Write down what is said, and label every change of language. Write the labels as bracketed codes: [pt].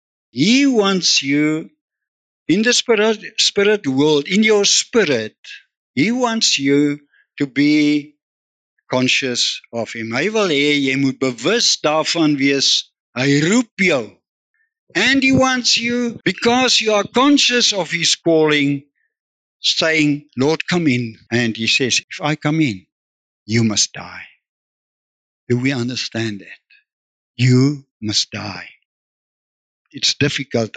[en] He wants you in the spirit world, in your spirit, He wants you to be conscious of Him. [af] Hy wil hê, jy moet bewus daarvan wees, hy roep jou. [en] And He wants you, because you are conscious of His calling, saying, Lord, come in. And He says, if I come in, you must die. Do we understand that? You must die. It's difficult.